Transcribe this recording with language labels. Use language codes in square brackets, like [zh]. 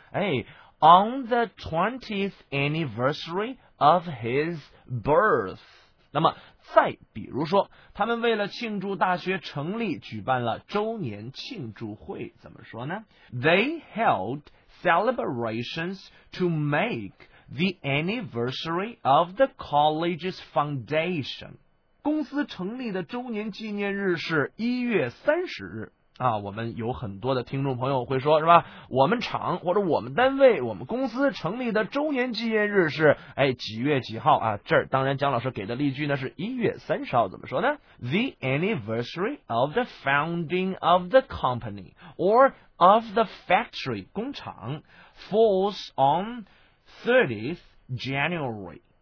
[en] 哎， on the 20th anniversary of his birth。 [zh] 那么再比如说，他们为了庆祝大学成立举办了周年庆祝会，怎么说呢？ [en] They held celebrations to make the anniversary of the college's foundation。 [zh] 公司成立的周年纪念日是1月30日啊，我们有很多的听众朋友会说，是吧，我们厂或者我们单位我们公司成立的周年纪念日是哎几月几号啊，这儿当然姜老师给的例句呢是1月30号，怎么说呢？ [en] The anniversary of the founding of the company or of the factory [zh] 工厂 [en] falls on 30th January。